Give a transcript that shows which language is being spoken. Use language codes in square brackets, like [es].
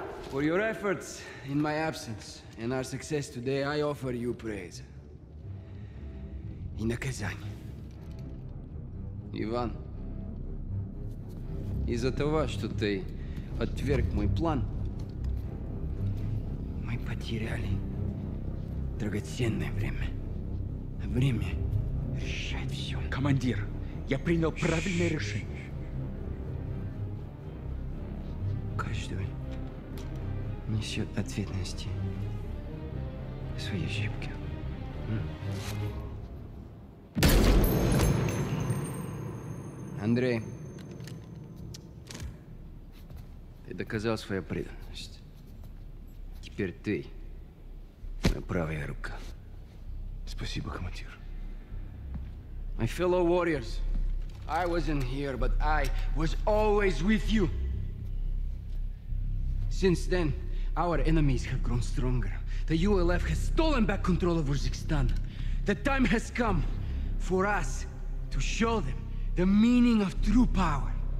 [en] For your efforts in my absence and our success today, I offer you praise. In the Kazan. [ru] Ivan, из-за того, что ты отверг мой план, мы потеряли драгоценное время. Время решает все. Командир! Я принял правильное решение. Каждый несет ответственность за свои ошибки. Андрей, ты доказал свою преданность. Теперь ты моя правая рука. Спасибо, командир. [en] My fellow warriors, I wasn't here, but I was always with you. Since then, our enemies have grown stronger. The ULF has stolen back control of Uzbekistan. The time has come for us to show them the meaning of true power.